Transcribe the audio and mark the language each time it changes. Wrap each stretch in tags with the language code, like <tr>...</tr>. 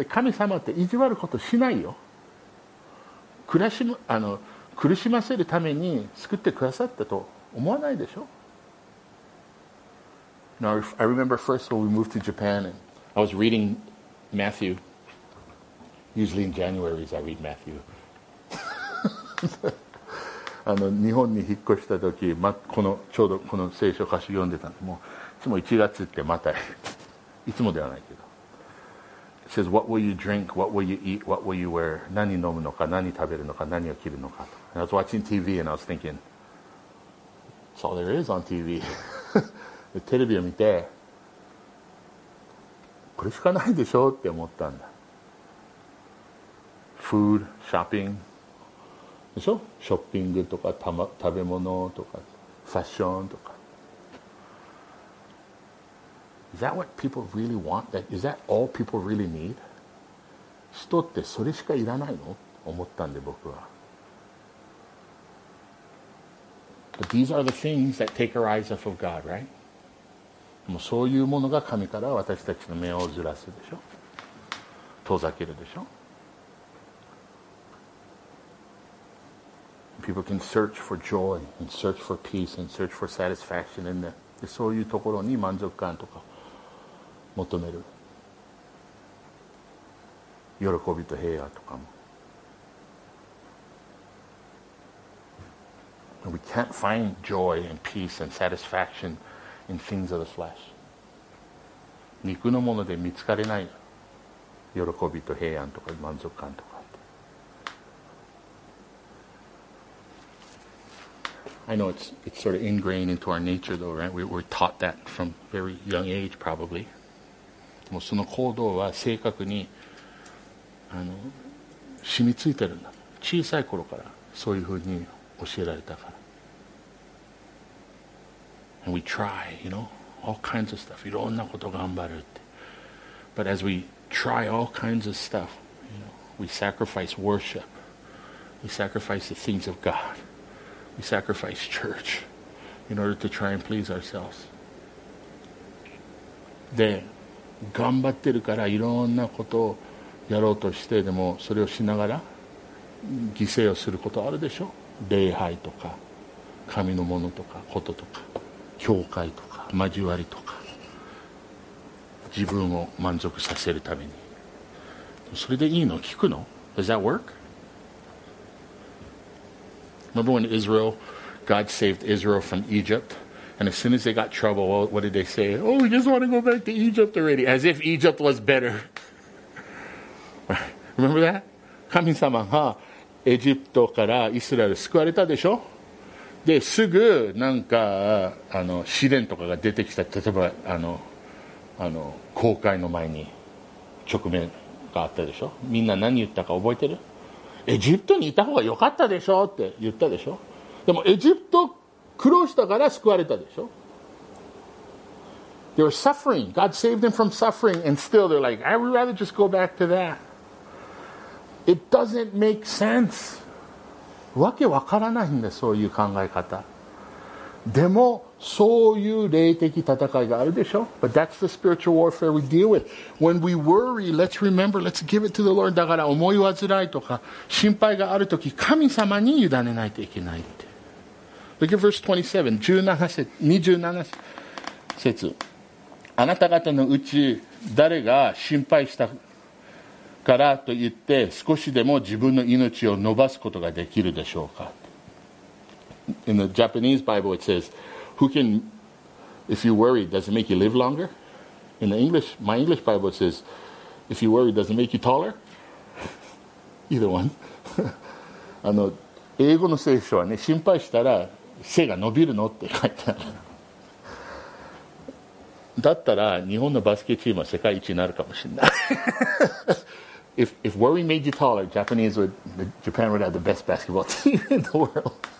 <ja>神様って意地悪ことしないよ。暮らしの、あの、苦しませるために救ってくださったと思わないでしょ。</ja> <en>Now, I remember first when we moved to Japan and I was reading Matthew. Usually in January I read Matthew.</en> <ja>あの日本に引っ越した時、ま、このちょうどこの聖書歌詞読んでたんで、もういつも1月ってまたいつもではないけど。</ja> <en>It says, what will you drink? What will you eat? What will you wear?</en> <ja>何飲むのか、何食べるのか、何を着るのかと。</ja> <en>And I was watching TV and I was thinking, that's all there is on TV.</en> <ja>で、テレビを見て、これしかないでしょって思ったんだ。</ja> <en>Food, shopping.</en> <ja>でしょ？ショッピングとか、食べ物とか、ファッションとか。</ja> <en>Is that what people really want? Is that all people really need?</en> <ja>人ってそれしかいらないの？思ったんで僕は。</ja> <en>But these are the things that take our eyes off of God, right?</en> <ja>もうそういうものが神から私たちの目をずらすでしょ？遠ざけるでしょ？</ja> <en>People can search for joy and search for peace and search for satisfaction in them.</en> <ja>でそういうところに満足感とか求める喜びと平和とかも。</ja> <en>We can't find joy and peace and satisfaction in things of the flesh.</en> <ja>肉のもので見つかれない喜びと平安とか満足感とか。</ja> <en>I know it's sort of ingrained into our nature though, right? We were taught that from very young age probably.</en> <ja>もうその行動は正確にあの染みついてるんだ。小さい頃からそういうふうに教えられたから。</ja> <en>And we try, you know, all kinds of stuff.</en> <ja>いろんなこと頑張るって。</ja> <en>But as we try all kinds of stuff, you know, we sacrifice worship. We sacrifice the things of God. We sacrifice church in order to try and please ourselves.</en> <ja>で頑張ってるからいろんなことをやろうとしてでもそれをしながら犠牲をすることあるでしょ。礼拝とか神のものとかこととか教会とか交わりとか自分を満足させるために。それでいいの？聞くの？</ja> <en>Does that work? Remember when Israel, God saved Israel from Egypt? And as soon as they got trouble, well, what did they say? Oh, we just want to go back to Egypt already. As if Egypt was better. Remember that?</en> <ja>神様がエジプトからイスラエル救われたでしょ？で、すぐなんかあの試練とかが出てきた。例えば、あの、航海の前に直面があったでしょ。みんな何言ったか覚えてる？エジプトにいた方が良かったでしょって言ったでしょ。でもエジプト苦労したから救われたでしょ。</ja> <en>They were suffering. God saved them from suffering, and still they're like, I would rather just go back to that. It doesn't make sense.</en> <ja>わけわからないんだ、そういう考え方。でも、そういう霊的戦いがあるでしょ。</ja> <en>But that's the spiritual warfare we deal with.</en> <ja>When we worry, let's remember, let's give it to the Lord. だから、思い煩いとか、心配があるとき、神様に委ねないといけないって。</ja> <en>Look at verse 27節。</en> <ja>あなた方のうち誰が心配したからと言って少しでも自分の命を延ばすことができるでしょうか。</ja> <en>In the Japanese Bible it says, who can, if you worry, does it make you live longer? In the English, my English Bible it says, if you worry, does it make you taller? Either one.</en> <ja>英語の聖書はね、心配したら背が伸びるのって書いてある。だったら日本のバスケチームは世界一になるかもしれない。</ja> <en>if worry made you taller, Japanese would, Japan would have the best basketball team in the world.</en>